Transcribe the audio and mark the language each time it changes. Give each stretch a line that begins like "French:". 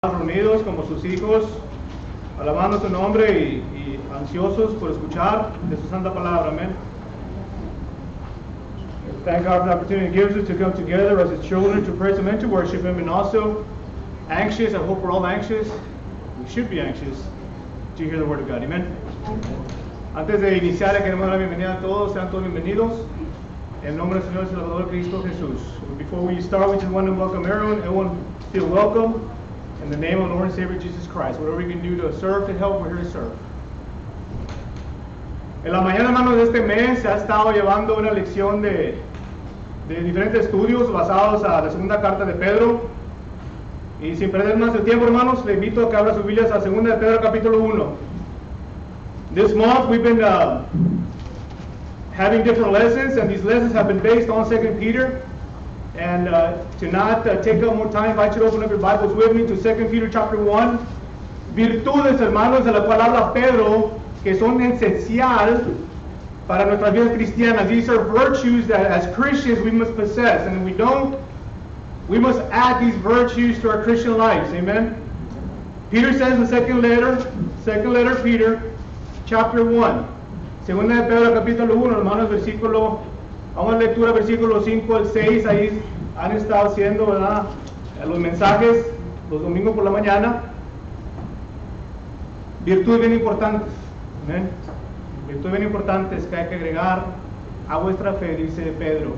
Spanish: Unidos como sus hijos, alabando tu nombre y ansiosos por escuchar de su santa palabra. Amén.
English: Thank God for the opportunity He gives us to come together as His children to praise Him and to worship Him, and also anxious, I hope we're all anxious, we should be anxious, to hear the Word of God. Amen.
Spanish: Antes de iniciar, queremos dar la bienvenida a todos, sean todos bienvenidos. En nombre del Señor y Salvador Cristo Jesús.
English: Before we start, we just want to welcome everyone. Feel welcome in the name of the Lord and Savior Jesus Christ. Whatever we can do to serve, to help, we're here to serve.
Spanish: En la mañana, hermanos, de este mes se ha estado llevando una lección de diferentes estudios basados a la segunda carta de Pedro. Y sin perder más el tiempo, hermanos, le invito a que abra sus Biblias a segunda de Pedro, capítulo 1.
English: This month we've been having different lessons, and these lessons have been based on 2 Peter. And to not take up more time, I invite you to open up your Bibles with me to 2 Peter chapter 1.
Spanish: Virtudes, hermanos, de la cual habla Pedro, que son esencial para nuestras vidas cristianas.
English: These are virtues that as Christians we must possess. And if we don't, we must add these virtues to our Christian lives. Amen. Peter says in the second letter of Peter, chapter 1.
Spanish: Segunda de Pedro, capítulo 1, hermanos, versículo, vamos a lectura, versículo 5 al 6, ahí han estado haciendo, ¿verdad?, los mensajes, los domingos por la mañana. Virtudes bien importantes, ¿amén? Virtudes bien importantes que hay que agregar a vuestra fe, dice Pedro.